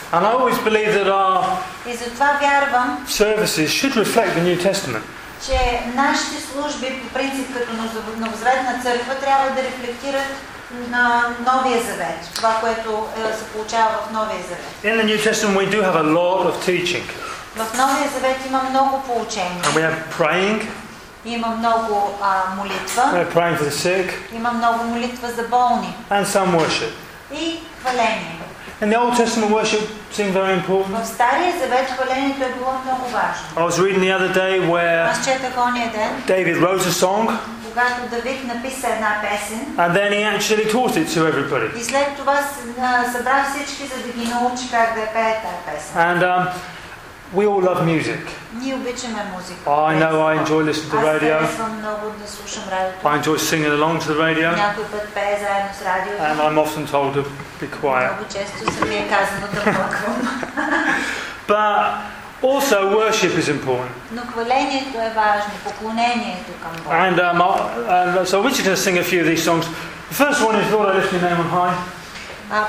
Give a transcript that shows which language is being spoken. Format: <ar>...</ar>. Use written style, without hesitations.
<en>And I always believe that our</en> <bg>и затова вярвам,</bg> <en>services should reflect the New Testament.</en> <bg>Че нашите служби по принцип като новозаветна църква трябва да рефлектират на Новия Завет, това, което се получава в Новия Завет.</bg> <en>In the New Testament we do have a lot of teaching.</en> <bg>В Новия Завет има много поучения.</bg> <en>And we have praying.</en> <bg>Има много молитва.</bg> <en>We have praying for the sick.</en> <bg>Има много молитва за болни.</bg> <en>And some worship.</en> <bg>И хваление.</bg> <en>And the Old Testament worship seemed very important.</en> <bg>В Стария Завет хвалението е било много важно.</bg> <en>I was reading the other day where David wrote a song.</en> <bg>Когато Давид написа една песен.</bg> <en>And then he actually taught it to everybody.</en> <bg>И след това събра всички, за да ги научи как да пее тази песен.</bg> <en>And we all love music.</en> <bg>Ние обичаме музика.</bg> <en>I know I enjoy listening to the radio.</en> <bg>Аз съм много да слушам радиото.</bg> <en>I enjoy singing along to the radio.</en> <bg>Някой път пее заедно с радиото.</bg> <en>And I'm often told to be quiet.</en> <bg>Много често съм ми е казано да плаквам.</bg> <en>But also worship is important.</en> <bg>Но хвалението е важно, поклонението към Бог.</bg> <en>And so we're just going to sing a few of these songs. The first one is Lord, I Lift Your Name on High.</en>